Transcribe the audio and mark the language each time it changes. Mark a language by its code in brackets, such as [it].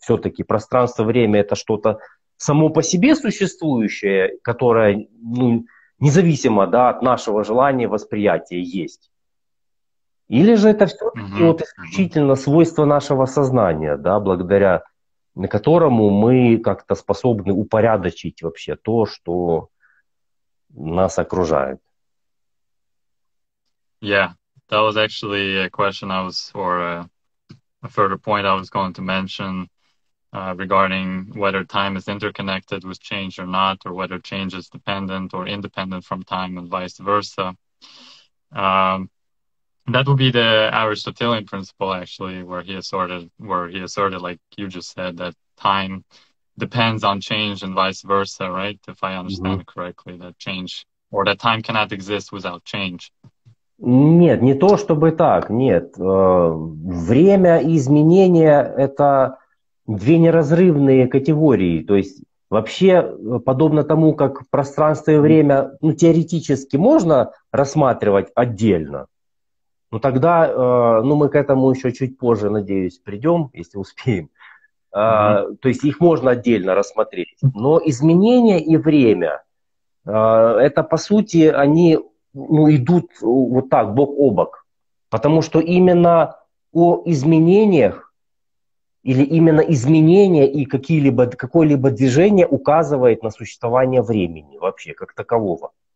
[ru] Все-таки пространство и время – это что-то само по себе существующее, которое… Ну, независимо, да, от нашего желания восприятия есть. Или же это все-таки вот исключительно свойство нашего сознания, да, благодаря которому мы как-то способны упорядочить вообще то, что нас окружает. [en] Yeah, that was actually a question I was, or a further point I was going to mention regarding whether time is interconnected with change or not, or whether change is dependent or independent from time and vice versa. That would be the Aristotelian principle, actually, where he asserted, like you just said, that time depends on change and vice versa, right? If I understand correctly, that change, or that time cannot exist without change. [ru] Нет, не то чтобы так, нет. Время и изменения – это две неразрывные категории, то есть вообще подобно тому, как пространство и время, ну, теоретически можно рассматривать отдельно, но тогда, ну, мы к этому еще чуть позже, надеюсь, придем, если успеем, то есть их можно отдельно рассмотреть, но изменения и время, это по сути, они, ну, идут вот так, бок о бок, потому что именно о изменениях или именно изменение и какое-либо движение указывает на существование времени вообще, как такового.